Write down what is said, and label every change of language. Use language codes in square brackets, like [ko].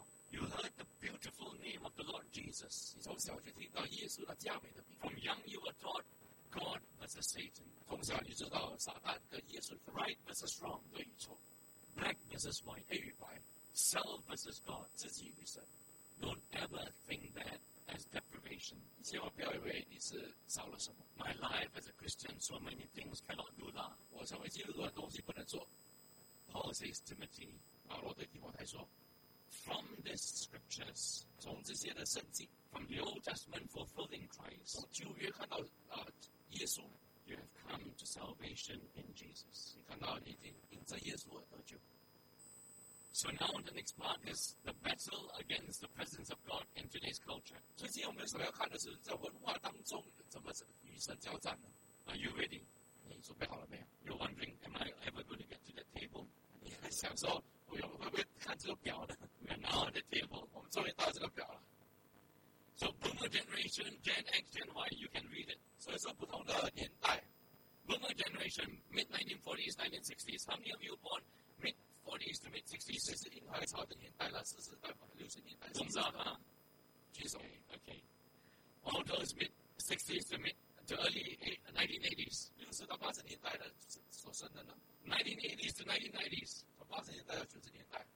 [en] You heard the beautiful name of the Lord Jesus. From young you were taught God versus Satan. [zh] 从小你知道撒旦跟耶稣 [en] Right versus wrong [zh] 对与错 [en] Black versus white [zh] 黑与白 [en] Self versus God [zh] 自己与神 [en] Don't ever think that as deprivation [zh] 你千万不要以为你是少了什么 [en] My life as a Christian so many things cannot do that [zh] 我成为基督徒的东西不能做 [en] Paul says Timothy [zh] 保罗对提摩太说 [en] From these scriptures [zh] 从这些的圣经 [en] From the Old Testament fulfilling Christ [zh] 从旧约看到、耶稣 [en] You have come to salvation in Jesus. [zh] 你看到你已经因着耶稣而得救。 [en] So now the next part is the battle against the presence of God in today's culture. [zh] 最近我们所要看的是在文化当中怎么与神交战呢 [en] ？Are you ready? [zh] 你准备好了没有 [en] ？You're wondering, am I ever going to get to that table? [zh] 你还想说我会不会看这个表呢 [en] ？We're now at the table. [zh] 我们终于到这个表了。 [en] So Boomer Generation, Gen X, Gen Y, you can read it. [zh] 所以说不同的年代 [en] Boomer Generation, mid-1940s, 1960s. How many of you born mid-40s to mid-60s? [zh] 这是樱花潮的年代了，四十代末六十年代。中招哈，举手。 [en] Okay. All those mid-60s to early 1980s. [zh] 六十到八十年代的所生的呢 [en] ？1980s to 1990s. [zh] 从八十年代到九十年代。